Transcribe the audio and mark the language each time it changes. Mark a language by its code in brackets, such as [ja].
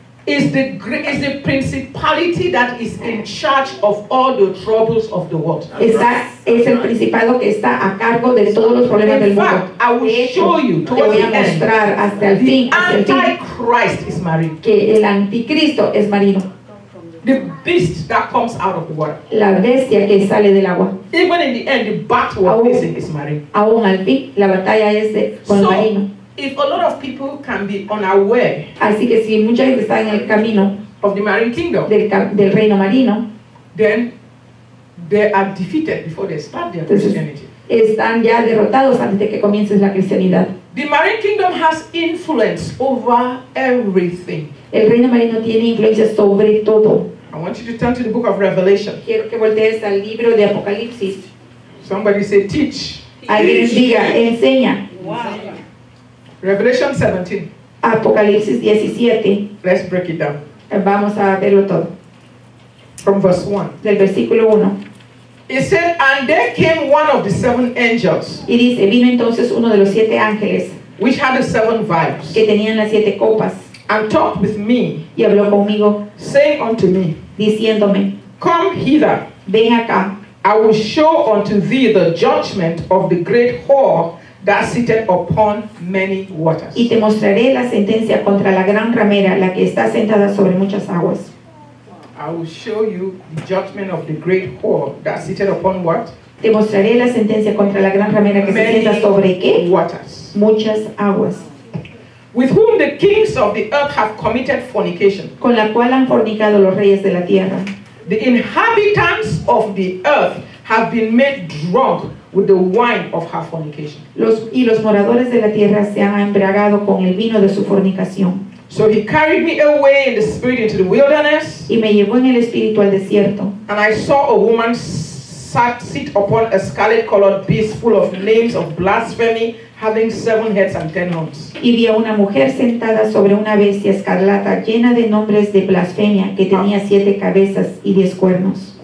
[en] Is the principality that is in charge of all the troubles of the world. [es] Está, es el principado que está a cargo de todos los problemas del mundo. [en] In fact, I will show you towards [es] the end. [en] The Antichrist is marine. [es] Que el anticristo es marino. [en] The beast that comes out of the water. [es] La bestia que sale del agua. [en] Even in the end, the battle is marine. [es] Aún al fin, la batalla es con el marino. [en] If a lot of people can be unaware, [es] así que si mucha gente está en el camino [en] of the marine kingdom, [es] del reino marino, [en] then they are defeated before they start their Christianity. [es] Están ya derrotados antes de que comiences la cristianidad. [en] The marine kingdom has influence over everything. [es] El reino marino tiene influencia sobre todo. [en] I want you to turn to the book of Revelation. [es] Quiero que voltees al libro de Apocalipsis. [en] Somebody say teach. [es] Alguien diga, enseña. [en] Wow. Revelation 17. [es] Apocalipsis 17. [en] Let's break it down. [es] Vamos a verlo todo. [en] From verse 1. [es] Del versículo 1. [en] It said, and there came one of the seven angels. [es] Y dice, vino entonces uno de los siete ángeles. [en] Which had the seven vials. [es] Que tenían las siete copas. [en] And talked with me. [es] Y habló conmigo. [en] Saying unto me. [es] Diciéndome. [en] Come hither. [es] Ven acá. [en] I will show unto thee the judgment of the great whore that sitteth upon many waters. [es] Y te mostraré la sentencia contra la gran ramera, la que está sentada sobre muchas aguas. [en] I will show you the judgment of the great whore that sitteth upon what? [es] Te mostraré la sentencia contra la gran ramera que [en] many [es] se sienta sobre qué? [en] Waters. [es] Muchas aguas. [en] With whom the kings of the earth have committed fornication. [es] Con la cual han fornicado los reyes de la tierra. [en] The inhabitants of the earth have been made drunk with the wine of her fornication. [es] Y los moradores de la tierra se han embriagado con el vino de su fornicación. [en] So he carried me away in the spirit into the wilderness. [es] Y me llevó en el espíritu al desierto. [en] And I saw a woman sit upon a scarlet colored beast full of names of blasphemy, having seven heads and ten horns. [es] Y vi a una mujer sentada sobre una bestia escarlata llena de nombres de blasfemia que tenía siete cabezas y diez cuernos.